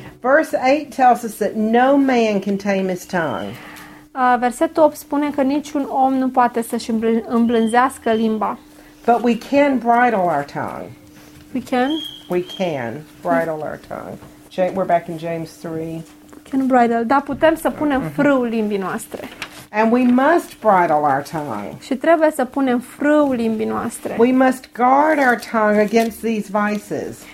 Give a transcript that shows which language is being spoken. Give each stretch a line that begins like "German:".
English: Verse 8 tells us that no man can tame his tongue.
Romanian: Versetul 8 spune că niciun om nu poate să-și îmblânzească limba.
English: But we can bridle our tongue. We can bridle our tongue. We're back in James 3. We can bridle.
Romanian: Da, putem să punem frâul limbii noastre.
English: And we must bridle our tongue.
Romanian: Și trebuie să punem frâul limbii noastre.
English: We must guard our tongue against these vices.